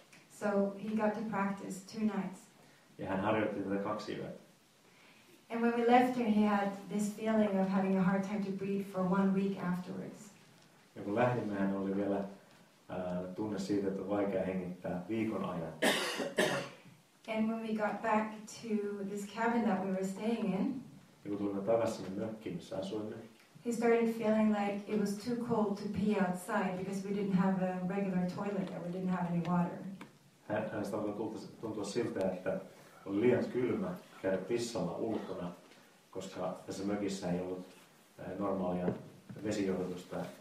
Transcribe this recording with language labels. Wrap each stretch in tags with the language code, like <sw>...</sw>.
<en>So he got to practice two nights.</en> <fi>Ja hän harjoitti tätä kaksi yötä.</fi> <en>And when we left him, he had this feeling of having a hard time to breathe for one week afterwards.</en> <fi>Ja kun lähdimme, hän oli vielä tunne siitä, että on vaikea hengittää viikon ajan.</fi> <en>And when we got back to this cabin that we were staying in.</en> <fi>Ja kun tulimme takaisin mökkiin, missä asuimme.</fi> <en>He started feeling like it was too cold to pee outside because we didn't have a regular toilet and we didn't have any water.</en> <fi>Hän alkoi tuntua siltä, että oli liian kylmä käydä pissalla ulkona, koska tässä mökissä ei ollut normaalia vesijohdotusta.</fi>